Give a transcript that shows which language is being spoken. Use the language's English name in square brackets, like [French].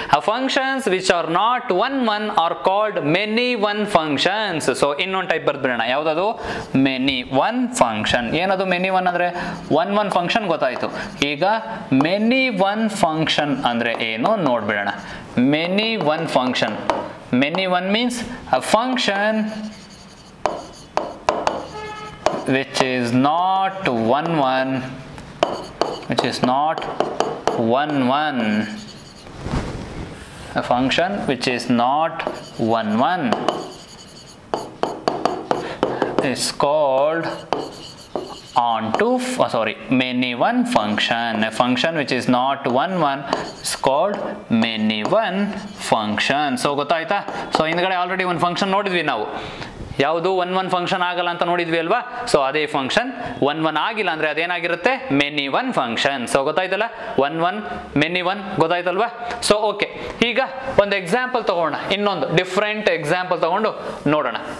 [English] ಆ functions which are not one one are called many one functions. [Kannada] So ಇನ್ನೊಂದು type ಬರೆದ್ಬಿಡೋಣ, ಯಾವುದದು? Many one function. ಏನದು many one ಅಂದರೆ? One one function ಗೊತ್ತಾಯಿತು, ಈಗ ಮೆನಿ ಒನ್ ಫಂಕ್ಷನ್ ಅಂದರೆ ಏನು ನೋಡ್ಬಿಡೋಣ. [English] Many one function, many one means a function which is not one one, which is not one one, a function which is not one one is called onto, many one function. A function which is not one one is called many one function. [Kannada] So gotaita, so indagade already one function nodidvi naavu. ಯಾವುದು one one function ಆಗಲ್ಲ ಅಂತ ನೋಡಿದ್ವಿ ಅಲ್ವಾ? So ಅದೇ function one one ಆಗಿಲ್ಲ ಅಂದರೆ ಅದೇನಾಗಿರುತ್ತೆ? Many one function. So ಗೊತ್ತಾಯ್ತಲ್ಲ, one one many one ಗೊತ್ತಾಯ್ತಲ್ವಾ? So okay, ಈಗ ಒಂದು ಎಕ್ಸಾಂಪಲ್ ತೊಗೊಳ್ಳೋಣ, ಇನ್ನೊಂದು ಡಿಫ್ರೆಂಟ್ ಎಕ್ಸಾಂಪಲ್ ತೊಗೊಂಡು ನೋಡೋಣ.